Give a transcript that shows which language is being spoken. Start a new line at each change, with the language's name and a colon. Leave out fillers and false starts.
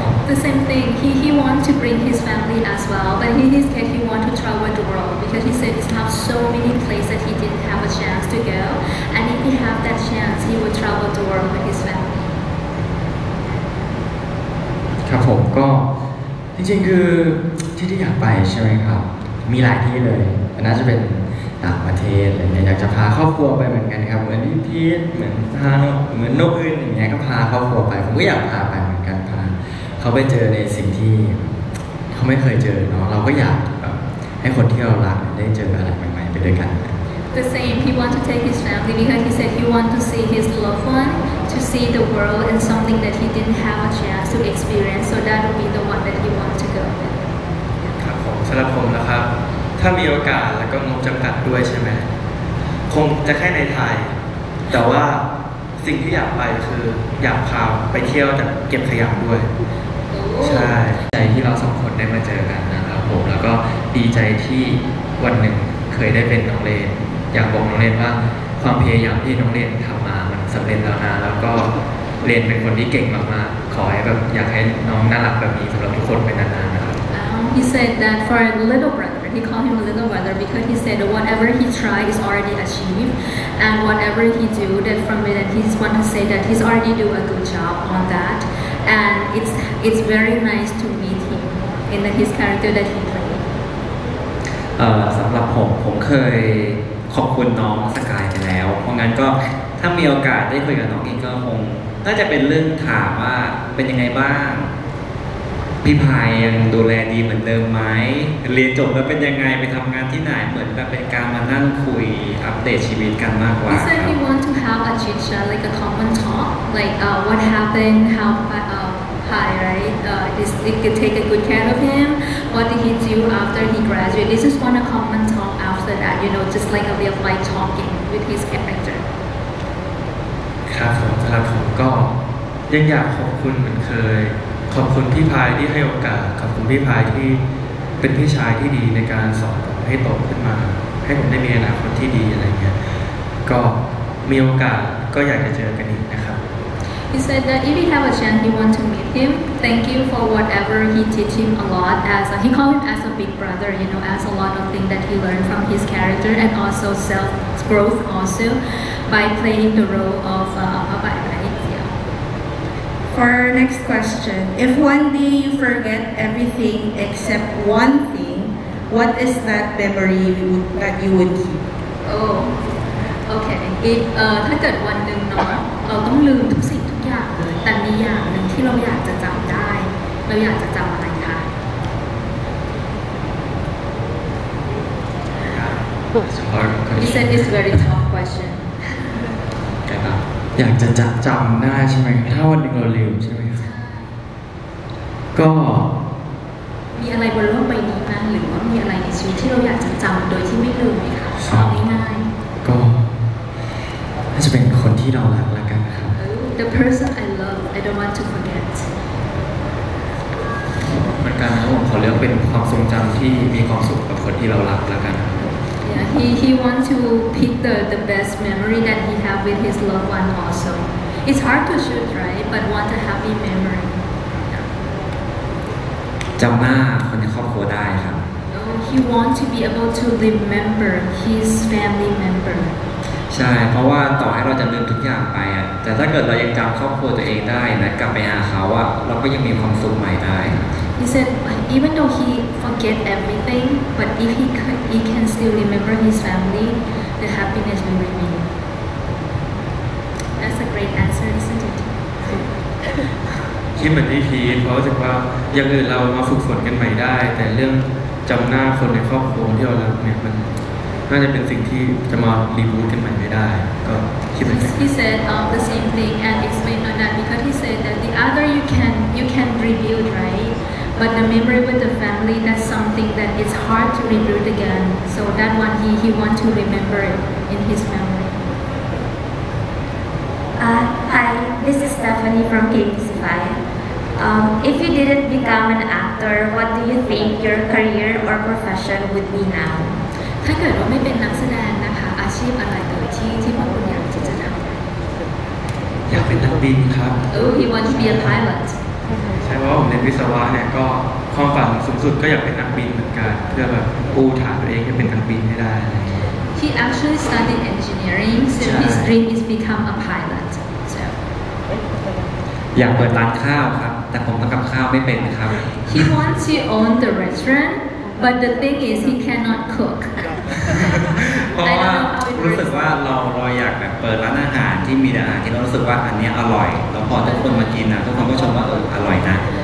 English: The same thing he want to bring his family as well but in his case he want to travel the world because he said he have so many places that he didn't have a chance to go and if he have that chance he would travel the world with his family
Thai: ครับผมก็จริงๆคือที่ที่อยากไปใช่ไหมครับมีหลายที่เลยน่าจะเป็นต่างประเทศอะไรเงี้ยอยากจะพาครอบครัวไปเหมือนกันครับเหมือนพี่พีทเหมือนทานเหมือนนกอื่นอย่างเงี้ยก็พาครอบครัวไปผมก็อยากพาไปเหมือนกันพาเขาไปเจอในสิ่งที่เขาไม่เคยเจอเนาะเราก็อยากแบบให้คนที่เรารักได้เจออะไรใหม่ๆไปด้วยกัน
English: The same he want to take his family because he said he want to see his loved oneTo see the world and something that he didn't have a chance to experience, so that would be the one that he wants to go with.
Thai: ครับผมสำหรับผมนะครับถ้ามีโอกาสแล้วก็งบจำกัดด้วยใช่ไหมคงจะแค่ในไทยแต่ว่าสิ่งที่อยากไปคืออยากพาไปเที่ยวแต่เก็บขยะด้วย Ooh. ใช่ใจที่เราสองคนได้มาเจอกันนะครับผมแล้วก็ดีใจที่วันหนึ่งเคยได้เป็นน้องเรนอยากบอกน้องเรนว่าความพยายามที่น้องเรนทำมามันสำเร็จแล้วนะแล้วก็เรนเป็นคนที่เก่งมากๆขอให้แบบอยากให้น้องน่ารักแบบนี้สำหรับทุกคนไปนานๆนะครับ
English: He said that for a little brother he called him a little brother because he said whatever he try is already achieved and whatever he do that from it and he just want to say that he's already do a good job on that and it's very nice to meet him in his character that he play
Thai: สำหรับผมเคยขอบคุณน้องสกายไปแล้วเพราะงั้นก็ถ้ามีโอกาสได้คุยกับน้องอีกก็คงน่าจะเป็นเรื่องถามว่าเป็นยังไงบ้างพี่พายยังดูแลดีเหมือนเดิมไหมเรียนจบแล้วเป็นยังไงไปทำงานที่ไหนเหมือนแบบเป็นการมานั่งคุยอัปเดตชีวิตกันมากกว่า
English: He said he want to have a chit chat like a common talk like what happened how Pai right is it take a good care of him what did he do after he graduated this is one a common talkAfter that, you know, just like a real life talking with his character.
Thai: ครับผมก็ยังอยากขอบคุณเหมือนเคยขอบคุณพี่พายที่ให้โอกาสขอบคุณพี่พายที่เป็นพี่ชายที่ดีในการสอนผมให้โตขึ้นมาให้ผมได้มีอนาคตที่ดีอะไรเงี้ยก็มีโอกาสก็อยากจะเจอกันอีกนะครับ
English: He said that if you have a chance, you want to meet him. Thank you for or whatever he teach him a lot as a, he call him as a big brother, you know, as a lot of things that he learned from his character and also self growth also by playing the role of Papa, right? Yeah. For our next question, if one day you forget everything except one thing, what is that memory that you would keep? Oh, okay.
Thai: If ถ้าเกิดวันหนึ่งเนาะเราต้องลืมทุกสิ่งทุกอย่างเลยแต่มีอย่างนึงที่เราอยากจะจำได้เราอยากจะจำอะไรคะ สำหรับ
English: You said it's very tough question
Thai: อยากจะจำได้ใช่ไหมถ้าวันหนึ่งเราลืมใช่ไหมก็มีอะไรบนโลกใบนี้บ้างหรือว่ามีอะไรในชีวิตที่เราอยากจะจำโดยที่ไม่ลืมไหมคะ ต อบง่าย ก็น่าจะเป็นคนที่เรารักละกันครับ
English: The person I love I don't want to forget
Thai: มันการนะผมขอเลือกเป็นความทรงจำที่มีความสุขกับคนที่เรารักละกัน
English: Yeah he want to pick the best memory that he have with his loved one also It's hard to choose right but want a happy memory
Thai: จำหน้าคนในครอบครัวได้ครับ
English: He want to be able to remember his family member
Thai: ใช่เพราะว่าต่อให้เราจะลืมทุกอย่างไปอ่ะแต่ถ้าเกิดเรายังจำครอบครัวตัวเองได้นะกลับไปหาเขาอ่ะเราก็ยังมีความสุขใหม่ได้
English: He said even though he forget everything but if he could, he can still remember his family the happiness will remain That's a great answer isn't it
Thai: คิดเหมือนพี่พีทเพราะรู้สึกว่าอย่างอื่นเรามาฝึกฝนกันใหม่ได้แต่เรื่องจำหน้าคนในครอบครัวที่เรารักเนี่ยมันน่าจะเป็นสิ่งที่จะมารีบูทกันใหม่ไม่ได้ก็คิดเหมือนกัน
English: He said the same thing and explained on that because he said that the other you can rebuild right but the memory with the family that's something that is hard to rebuild again so that one he want to remember it in his memory Hi this is Stephanie from KBCFI if you didn't become an actor what do you think your career or profession would be now?
Thai: ถ้าเกิดว่าไม่เป็นนักแสดงนะคะอาชีพอะไรเกิดที่พ่อคุณอยากจะทำ อยากเป็นนักบินครับ
English: Oh, he wants to be a pilot
Thai: ใช่เพราะผมเรียนวิศวะเนี่ยก็ความฝันสูงสุดก็อยากเป็นนักบินเหมือนกันเพื่อแบบปูฐานตัวเองให้เป็นนักบินให้ได้
English: He actually studied engineering so his dream is become a pilot
Thai: อยากเปิดร้านข้าวครับแต่ผมทำกับข้าวไม่เป็นครับ
English: He wants to own the restaurant but the thing is he cannot cook
Thai: เพราะว่ารู้สึกว่าเราอยากแบบเปิดร้านอาหารที่มีอาหารที่เรารู้สึกว่าอันนี้อร่อยแล้วพอทุกคนมากินนะทุกคนก็ชมว่าอร่อยนะ